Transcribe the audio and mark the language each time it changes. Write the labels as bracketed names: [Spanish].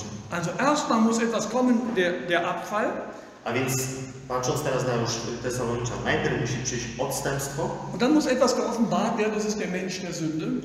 [German] Also erstmal muss etwas kommen, der Abfall. [Polish] A więc patrząc teraz na już Tesalonicza, najpierw musi przyjść odstępstwo. [German] Und dann muss etwas geoffenbart werden, das ist der Mensch der Sünde.